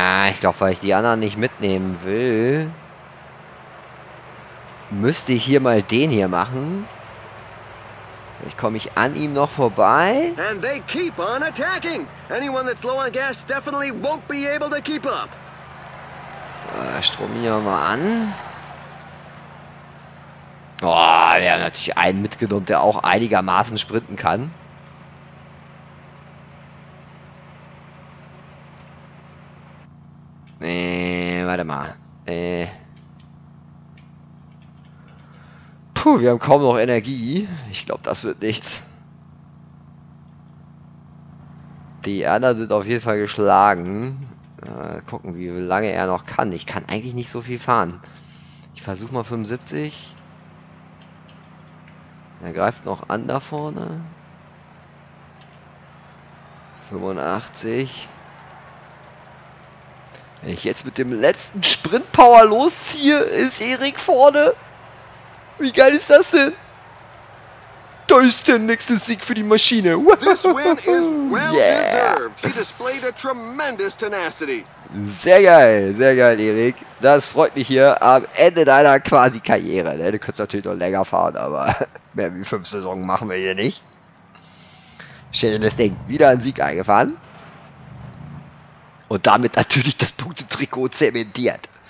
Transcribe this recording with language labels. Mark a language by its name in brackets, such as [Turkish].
[German] Ich glaube, weil ich die anderen nicht mitnehmen will, müsste ich hier mal den hier machen. Vielleicht komme ich an ihm noch vorbei. [English] And they keep on attacking. Anyone that's low on gas definitely won't be able to keep up. [German] Strom hier mal an. Oh, wir haben natürlich einen mitgenommen, der auch einigermaßen sprinten kann. Warte mal. Puh, wir haben kaum noch Energie. Ich glaube, das wird nichts. Die anderen sind auf jeden Fall geschlagen. Gucken, wie lange er noch kann. Ich kann eigentlich nicht so viel fahren. Ich versuche mal 75. Er greift noch an da vorne. 85. Wenn ich jetzt mit dem letzten Sprintpower losziehe, ist Erik vorne. Wie geil ist das denn? Da ist der nächste Sieg für die Maschine. [English] This win is well deserved. He displayed a tremendous tenacity. [German] Sehr geil, Erik. Das freut mich hier am Ende deiner quasi Karriere. Ne? Du könntest natürlich noch länger fahren, aber mehr wie 5 Saisonen machen wir hier nicht. Schönes Ding. Wieder ein Sieg eingefahren. Und damit natürlich das Punktetrikot zementiert.